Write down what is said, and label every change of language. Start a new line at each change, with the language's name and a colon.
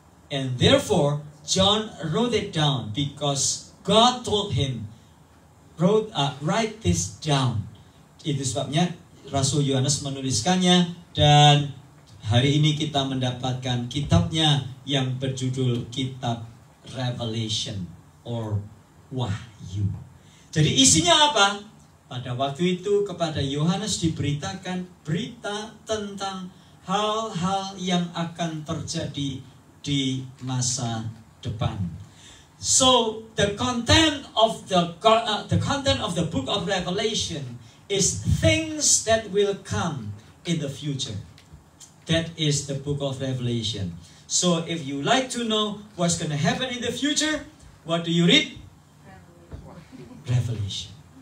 English: And therefore, John wrote it down because God told him, write this down.
Indonesian: Itu sebabnya Rasul Yohanes menuliskannya dan hari ini kita mendapatkan kitabnya yang berjudul Kitab Revelation or Wahyu. Jadi isinya apa? Pada waktu itu kepada Yohanes diberitakan berita tentang hal-hal yang akan terjadi di masa depan.
English: So the content of the content of the book of Revelation is things that will come in the future. That is the book of Revelation. So if you like to know what's going to happen in the future, what do you read? Revelation.